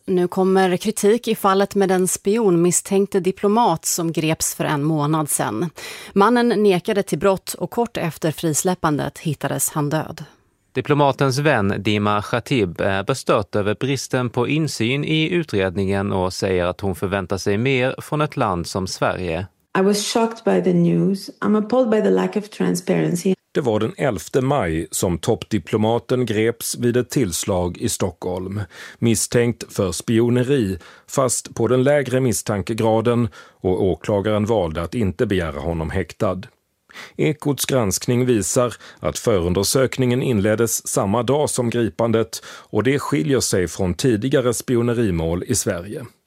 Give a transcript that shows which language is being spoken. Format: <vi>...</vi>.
<sv>Nu kommer kritik i fallet med den spionmisstänkte diplomat som greps för en månad sedan. Mannen nekade till brott och kort efter frisläppandet hittades han död. Diplomatens vän Dima Khatib är bestört över bristen på insyn i utredningen och säger att hon förväntar sig mer från ett land som Sverige.</sv> <en>I was shocked by the news. I'm appalled by the lack of transparency.</en> <sv>Det var den 11 maj som toppdiplomaten greps vid ett tillslag i Stockholm, misstänkt för spioneri, fast på den lägre misstankegraden, och åklagaren valde att inte begära honom häktad. Ekots granskning visar att förundersökningen inleddes samma dag som gripandet och det skiljer sig från tidigare spionerimål i Sverige.</sv>